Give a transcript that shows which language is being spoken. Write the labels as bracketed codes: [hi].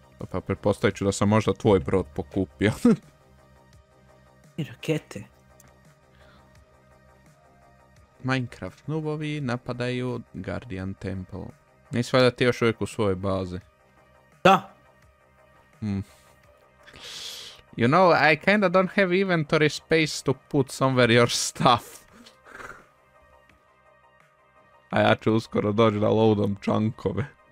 [hr] Pa pretpostavit ću da sam možda tvoj brod pokupio. I rakete. Minecraft nubovi napadaju Guardian Temple. Nisi valjda ti još uvijek u svojoj bazi? Da. [en] You know, I kinda don't have inventory space to put somewhere your stuff. [hr] A ja ću uskoro doći da loadom chunkove.